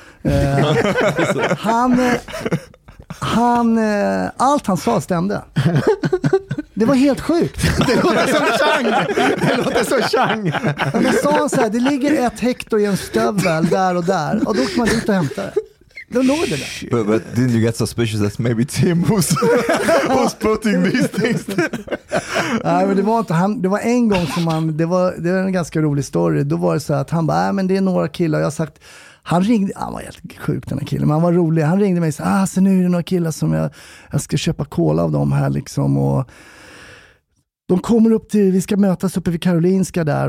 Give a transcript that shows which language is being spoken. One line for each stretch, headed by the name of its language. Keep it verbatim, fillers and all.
Swedish: Eh, han... Han, eh, allt han sa stämde. Det var helt sjukt. Det låter som Chang. Det låter som Chang. Men sa han så här, det ligger ett hektar i en stövel där och där. Och då kan man dit och hämta det. Då låg det där.
English: But, but didn't you get suspicious that maybe Tim was, was putting these things?
Swedish: Nej, men det var inte han. Det var en gång som han, det var, det var en ganska rolig story. Då var det så här att han bara, äh, men det är några killar. Jag har sagt... Han ringde, han var helt sjuk den här killen, men han var rolig. Han ringde mig och sa, ah, så nu är det några killar som jag, jag ska köpa cola av dem här liksom. Och de kommer upp till, vi ska mötas uppe vid Karolinska där.